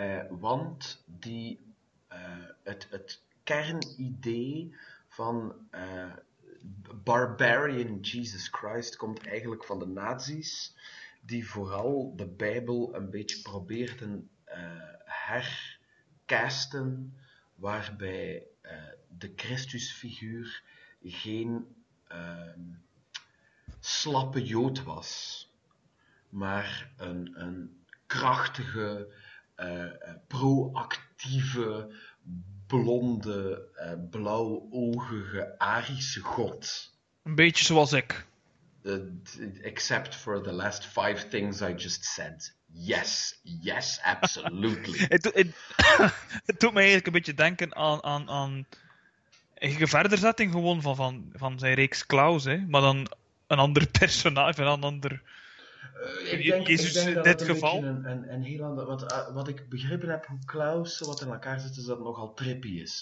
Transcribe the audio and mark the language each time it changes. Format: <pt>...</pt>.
<nl>Want die, het kernidee van Barbarian Jesus Christ komt eigenlijk van de nazi's, die vooral de Bijbel een beetje probeerden hercasten, waarbij de Christusfiguur geen slappe Jood was, maar een krachtige... proactieve, blonde, blauwoogige, Arische god. Een beetje zoals ik.</nl> <en>Except for the last 5 things I just said. Yes, yes, absolutely.</en> <nl>het doet mij eigenlijk een beetje denken aan een verderzetting gewoon van zijn reeks Klaus, hè? Maar dan een ander personage, een ander... Ik denk dat dit geval een heel ander... Wat ik begrepen heb, hoe Klaus wat in elkaar zit, is dat het nogal trippy is.</nl>